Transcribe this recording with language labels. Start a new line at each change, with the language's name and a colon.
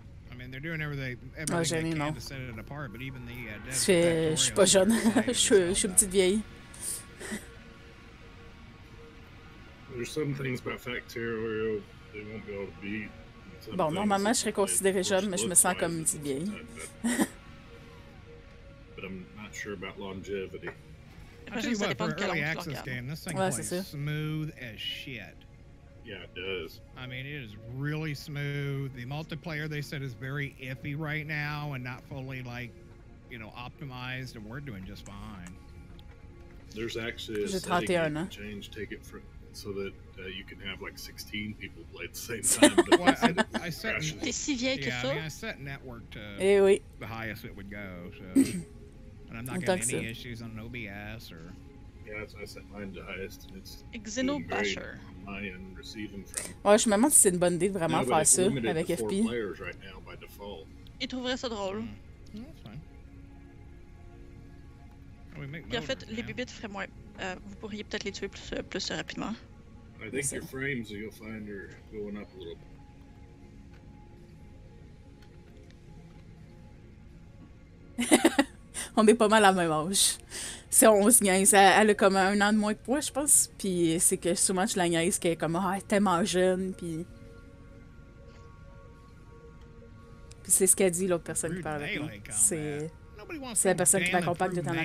English: I mean, they're doing everything they can to set it apart, but even the death of Factorio...
French: Je suis pas jeune. Je suis petite vieille.
English: There's some things about Factorio they won't be able to beat.
French: Bon, normalement, je serais considéré jeune, mais je me sens comme une petite vieille.
English: But I'm not sure about longevity. Actually, what, for an early access game, this thing plays smooth as shit. Yeah, it does. I mean, it is really smooth. The multiplayer, they said, is very iffy right now and not fully, like, you know, optimized, and we're doing just fine. There's actually a change, take it for, so that you can have, like, 16 people play at the same time. But well, I set network to the highest it would go, so... I'm not getting any issues on OBS or. Yeah, I set mine to highest and it's. Xeno Basher. Mine receiving from.
French: Ouais, je me demande si c'est une bonne idée de vraiment faire ça avec FP.
English: Right now by
French: il trouverait ça drôle. Mm-hmm. En fait, les bibittes feraient moins. Vous pourriez peut-être les tuer plus rapidement.
English: I think your frames you'll find are going up a little bit.
French: On est pas mal à même âge. C'est 11 niaises. Elle a comme un an de moins que moi, je pense. Puis c'est que souvent, je la niaise qui est comme, ah, elle est tellement jeune. Puis c'est ce qu'a dit l'autre personne qui parle avec moi. C'est la personne qui m'accompagne tout en allant